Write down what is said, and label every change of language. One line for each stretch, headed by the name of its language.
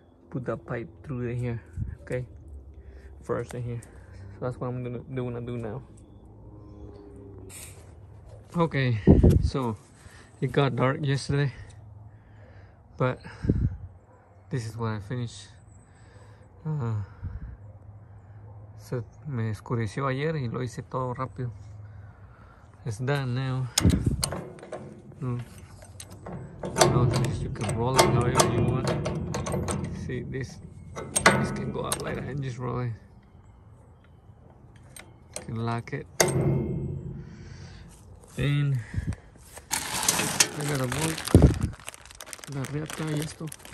English: Put that pipe through in here, okay? First in here. So that's what I'm gonna do now. Okay, so it got dark yesterday, but this is what I finished.
Spanish: So me oscureció ayer y lo hice todo rápido.
English: It's done now. Now this, you can roll it however you want. See, this can go up like that and just roll it. You can lock it. Then I got a bolt,
Spanish: la reata y esto.